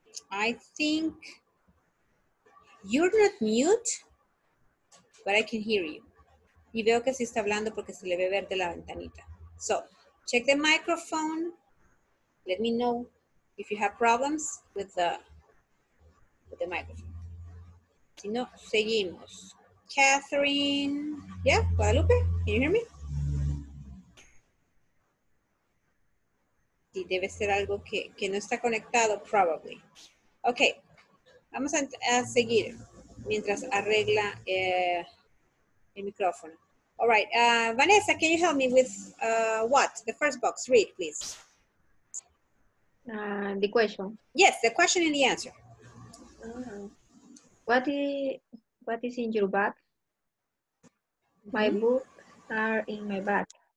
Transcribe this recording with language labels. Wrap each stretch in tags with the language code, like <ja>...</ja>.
<en>I think you're not mute, but I can hear you.</en> <es>Y veo que sí está hablando porque se le ve verde la ventanita.</es> <en>So, check the microphone. Let me know if you have problems with the microphone.</en> <es>Si no, seguimos. Catherine.</es> <en>Yeah, Guadalupe, can you hear me?</en> <es>Sí, debe ser algo que no está conectado,</es> <en>probably.</en> <es>Okay, vamos a seguir mientras arregla el micrófono.</es> <en>All right, Vanessa, can you help me with what? The first box, read, please. The question. Yes, the question and the answer. What is in your bag? Mm-hmm. My books are in my bag.</en>